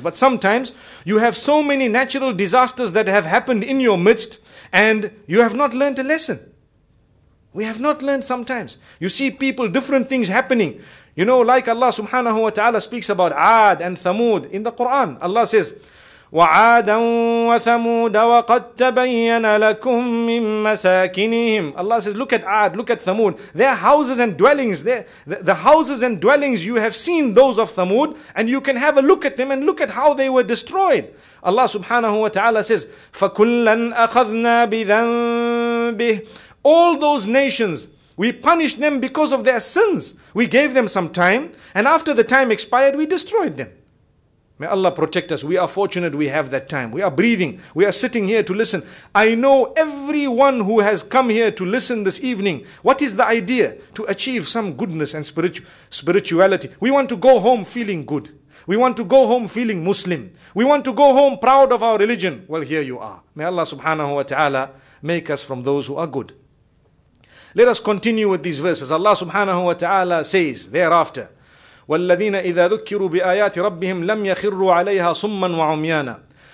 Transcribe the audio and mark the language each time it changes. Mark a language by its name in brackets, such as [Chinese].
[English] But sometimes you have so many natural disasters that have happened in your midst and you have not learned a lesson. We have not learned sometimes. You see people, different things happening. You know, like Allah subhanahu wa ta'ala speaks about Aad and Thamud in the Quran. Allah says, [Arabic] وَعَادًا وَثَمُودَ وَقَدْ تَبَيَّنَ لَكُم مِّن مَّسَاكِنِهِمْ. [English] Allah says, look at Aad, look at Thamud. Their houses and dwellings, the houses and dwellings, you have seen those of Thamud, and you can have a look at them and look at how they were destroyed. Allah subhanahu wa ta'ala says, [Arabic] فَكُلًّا أَخَذْنَا بِذَنْبِهِ. [English] All those nations, we punished them because of their sins. We gave them some time, and after the time expired, we destroyed them. May Allah protect us. We are fortunate we have that time. We are breathing. We are sitting here to listen. I know everyone who has come here to listen this evening, what is the idea? To achieve some goodness and spirituality. We want to go home feeling good. We want to go home feeling Muslim. We want to go home proud of our religion. Well, here you are. May Allah subhanahu wa ta'ala make us from those who are good. Let us continue with these verses. Allah subhanahu wa ta'ala says thereafter, [Arabic] وَالَّذِينَ إِذَا ذُكِّرُوا بِآيَاتِ رَبِّهِمْ لَمْ يَخِرُّوا عَلَيْهَا صُمًّا وَعُمْيَانًا